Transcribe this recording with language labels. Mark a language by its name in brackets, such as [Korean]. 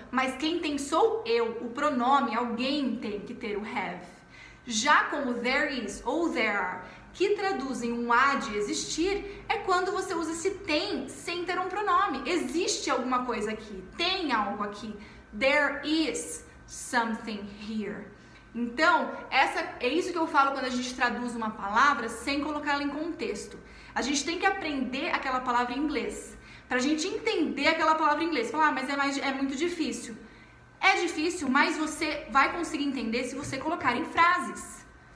[Portuguese] Mas quem tem sou eu, o pronome, alguém tem que ter o have. Já com o there is ou there are, que traduzem um há de existir, é quando você usa esse tem sem ter um pronome. Existe alguma coisa aqui, tem algo aqui. [English] There is something here. [Portuguese] Então, é isso que eu falo quando a gente traduz uma palavra sem colocá-la em contexto. A gente tem que aprender aquela palavra em inglês. Para a gente entender aquela palavra em inglês, falar, mas é muito difícil. É difícil, mas você vai conseguir entender se você colocar em frases.